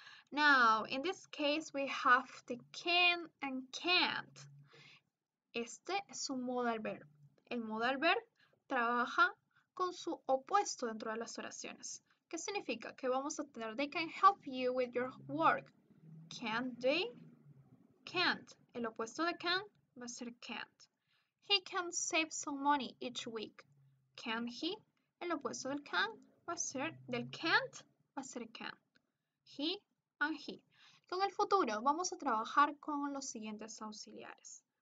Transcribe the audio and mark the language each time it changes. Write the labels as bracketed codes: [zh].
[en] Now, in this case, we have the can and can't. [es] Este es un modal verb. El modal verb trabaja con su opuesto dentro de las oraciones. ¿Qué significa? Que vamos a tener, [en] they can help you with your work. Can they? Can't. [es] El opuesto de can va a ser can't. [en] He can save some money each week. Can he? [es] El opuesto del can va a ser, del can't va a ser can. [en] He and he. [es] Con el futuro vamos a trabajar con los siguientes auxiliares.